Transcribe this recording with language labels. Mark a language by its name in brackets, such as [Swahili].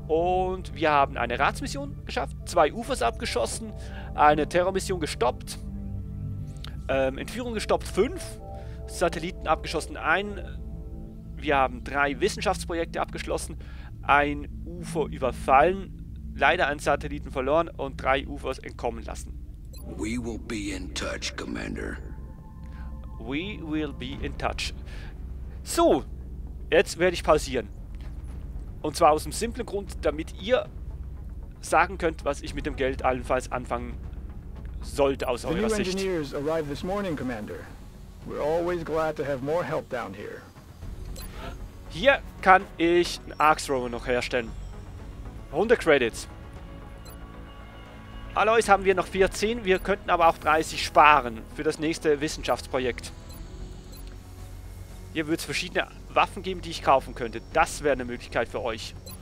[German] Und wir haben eine Ratsmission geschafft, zwei UFOs abgeschossen, eine Terrormission gestoppt, Entführung gestoppt 5, Satelliten abgeschossen 1, wir haben 3 Wissenschaftsprojekte abgeschlossen, ein UFO überfallen, leider einen Satelliten verloren und 3 UFOs entkommen lassen. [English] We will be in touch, Commander. We will be in touch. [German] So, jetzt werde ich pausieren. Und zwar aus dem simplen Grund, damit ihr sagen könnt, was ich mit dem Geld allenfalls anfangen sollte aus [English] the [German] eurer Sicht. [English] The new engineers arrived this morning, Commander. We're always glad to have more help down here. [German] Hier kann ich einen Arcthrower noch herstellen. 100 Credits. Alois haben wir noch 14, wir könnten aber auch 30 sparen für das nächste Wissenschaftsprojekt. Hier wird es verschiedene Waffen geben, die ich kaufen könnte. Das wäre eine Möglichkeit für euch.